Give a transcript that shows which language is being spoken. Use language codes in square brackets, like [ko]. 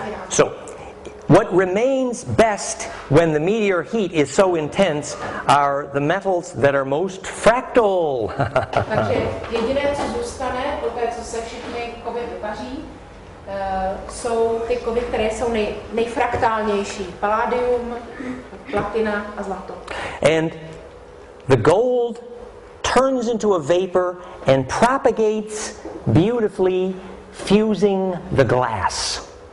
[en] So, what remains best when the meteor heat is so intense are the metals that are most fractal. [cs] Takže jediné, co zůstane, poté, co se všechny kovy vypaří, Jsou ty kovy, které jsou nejfraktálnější. Palladium, platina a zlato. [en] And the gold turns into a vapor and propagates beautifully, fusing the glass.